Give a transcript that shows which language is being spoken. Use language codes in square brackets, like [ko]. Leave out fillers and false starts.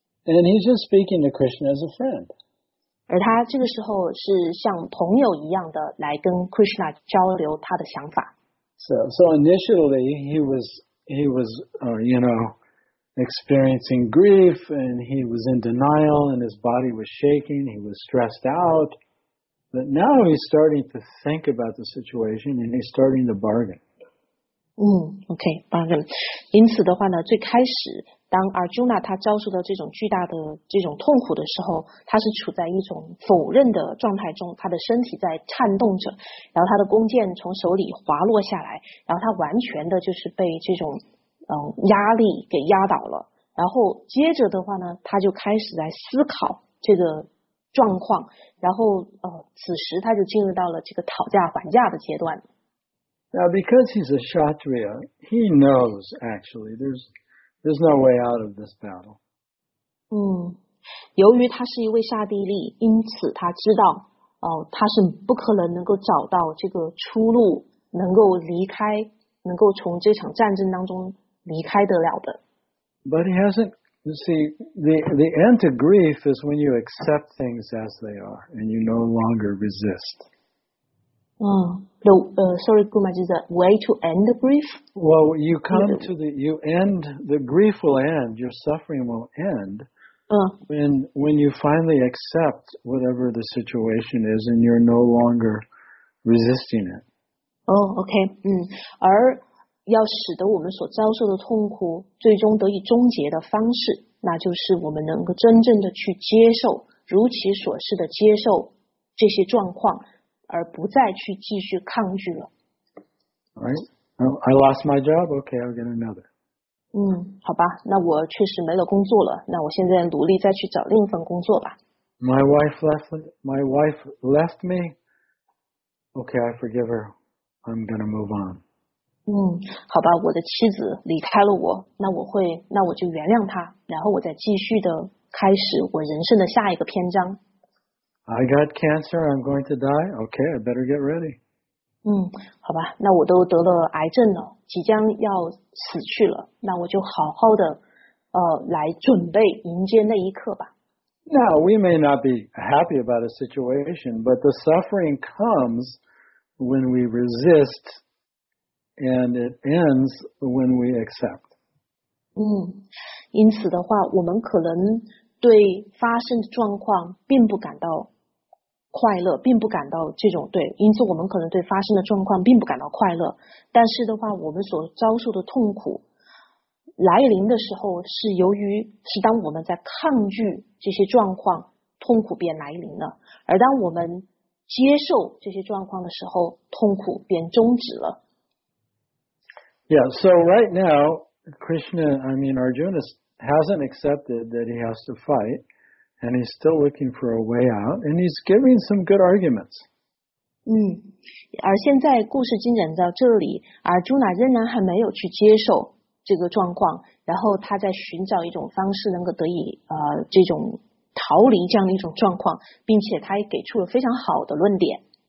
[en] And he's just speaking to Krishna as a friend. [zh] 而他这个时候是像朋友一样的来跟 Krishna 交流他的想法。 [en] So initially he was experiencing grief and he was in denial and his body was shaking, he was stressed out. But now he's starting to think about the situation and he's starting to bargain. Okay, bargain. [zh] 因此的话呢，最开始当 Arjuna 他遭受到这种巨大的这种痛苦的时候，他是处在一种否认的状态中，他的身体在颤动着，然后他的弓箭从手里滑落下来，然后他完全的就是被这种压力给压倒了。然后接着的话呢，他就开始在思考这个状况，然后此时他就进入到了这个讨价还价的阶段。 [en] Now because he's a Kshatriya, he knows actually there's no way out of this battle. [zh] 由于他是一位刹帝利，因此他知道，他是不可能能够找到这个出路，能够离开，能够从这场战争当中离开得了的。 [en] But he hasn't. You see, the end to grief is when you accept things as they are and you no longer resist. Sorry, Gumaji, the way to end the grief? Well, you come to the grief will end, your suffering will end, when you finally accept whatever the situation is and you're no longer resisting it. Oh, okay. [zh] 而要使得我们所遭受的痛苦最终得以终结的方式，那就是我们能够真正的去接受，如其所示的接受这些状况。而不再去继续抗拒了。 [en] Right. I lost my job. Okay, I'll get another. [zh] 好吧，那我确实没了工作了。那我现在努力再去找另一份工作吧。 [en] My wife left me. Okay, I forgive her. I'm gonna move on. [zh] 好吧，我的妻子离开了我，那我就原谅她，然后我再继续的开始我人生的下一个篇章。 [en] I got cancer, I'm going to die. Okay, I better get ready. [zh] 好吧，那我都得了癌症了，即将要死去了，那我就好好的来准备迎接那一刻吧。 [en] Now, we may not be happy about a situation, but the suffering comes when we resist, and it ends when we accept. [zh] 因此的话，我们可能对发生的状况并不感到快乐，并不感到这种对，因此我们可能对发生的状况并不感到快乐。但是的话，我们所遭受的痛苦来临的时候，是由于是当我们在抗拒这些状况，痛苦便来临了；而当我们接受这些状况的时候，痛苦便终止了。 [en] Yeah, so right now, Arjuna hasn't accepted that he has to fight. And he's still looking for a way out, and he's giving some good arguments. [zh] 而现在故事进展到这里，而朱娜仍然还没有去接受这个状况，然后他在寻找一种方式能够得以这种逃离这样的一种状况，并且他也给出了非常好的论点。